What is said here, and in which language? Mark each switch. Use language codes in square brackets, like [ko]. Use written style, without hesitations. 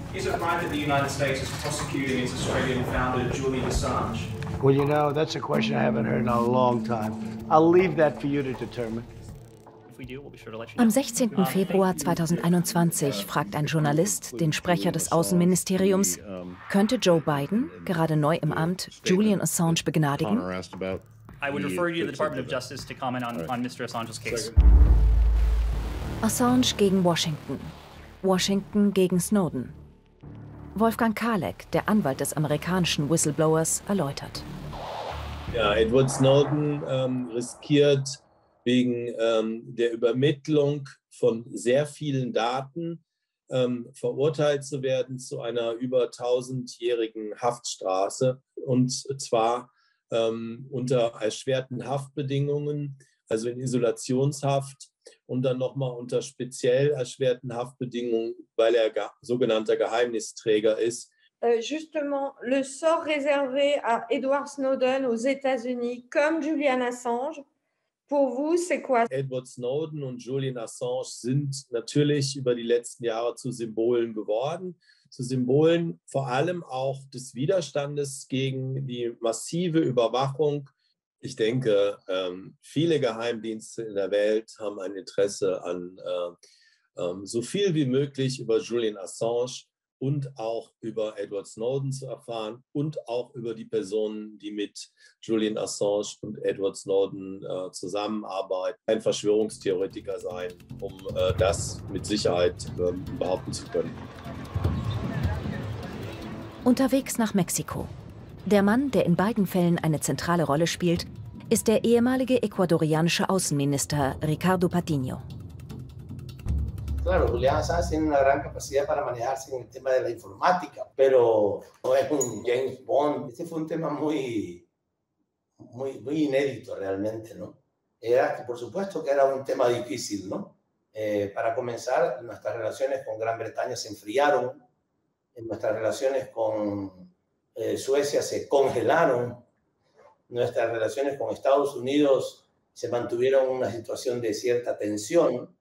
[en] Is it right that the United States is prosecuting its Australian founder, Julian Assange? Well, you know, that's a question I haven't heard in a long time. I'll leave that for you to determine. [de] Am 16. Februar 2021 fragt ein Journalist den Sprecher des Außenministeriums, könnte Joe Biden, gerade neu im Amt, Julian Assange begnadigen? [en] I would refer you to the Department of Justice to comment on Mr. Assange's case. [de] Assange gegen Washington. Washington gegen Snowden. Wolfgang Kalek, der Anwalt des amerikanischen Whistleblowers, erläutert. Edward Snowden riskiert wegen der Übermittlung von sehr vielen Daten verurteilt zu werden zu einer über 1000-jährigen Haftstrafe, und zwar unter erschwerten Haftbedingungen, also in Isolationshaft, und dann nochmal unter speziell erschwerten Haftbedingungen, weil er sogenannter Geheimnisträger ist. [fr] Justement, le sort réservé à Edward Snowden aux États-Unis, comme Julian Assange, pour vous, c'est quoi? [de] Edward Snowden und Julian Assange sind natürlich über die letzten Jahre zu Symbolen geworden. Zu Symbolen vor allem auch des Widerstandes gegen die massive Überwachung. Ich denke, viele Geheimdienste in der Welt haben ein Interesse an so viel wie möglich über Julian Assange und auch über Edward Snowden zu erfahren und auch über die Personen, die mit Julian Assange und Edward Snowden zusammenarbeiten. Ein Verschwörungstheoretiker sein, um das mit Sicherheit behaupten zu können. Unterwegs nach Mexiko. Der Mann, der in beiden Fällen eine zentrale Rolle spielt, ist der ehemalige ecuadorianische Außenminister Ricardo Patiño. [es] Claro, Julian Assange tiene una gran capacidad para manejarse en el tema de la informática, pero no es un James Bond. Este fue un tema muy, muy, muy inédito realmente, ¿no? Era, por supuesto que era un tema difícil, ¿no? Para comenzar, nuestras relaciones con Gran Bretaña se enfriaron, nuestras relaciones con Suecia se congelaron, nuestras relaciones con Estados Unidos se mantuvieron en una situación de cierta tensión.